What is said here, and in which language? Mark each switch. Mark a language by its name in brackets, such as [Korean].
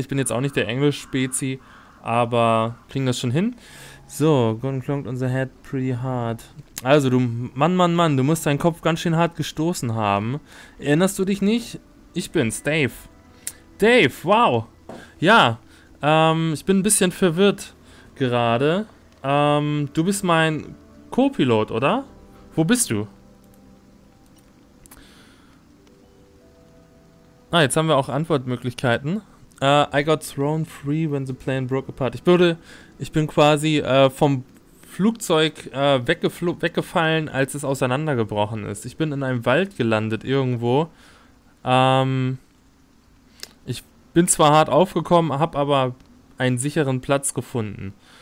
[German] Ich bin jetzt auch nicht der Englisch-Spezi, aber kriegen das schon hin. [English] So, gun clunked on the head pretty hard. [German] Also, du, Mann, du musst deinen Kopf ganz schön hart gestoßen haben. Erinnerst du dich nicht? Ich bin's, Dave. Dave, wow. Ja, ich bin ein bisschen verwirrt gerade. Du bist mein Co-Pilot, oder? Wo bist du? Ah, jetzt haben wir auch Antwortmöglichkeiten. [English] I got thrown free when the plane broke apart. [German] Ich bin quasi vom Flugzeug weggefallen, als es auseinandergebrochen ist. Ich bin in einem Wald gelandet irgendwo. Ich bin zwar hart aufgekommen, habe aber einen sicheren Platz gefunden.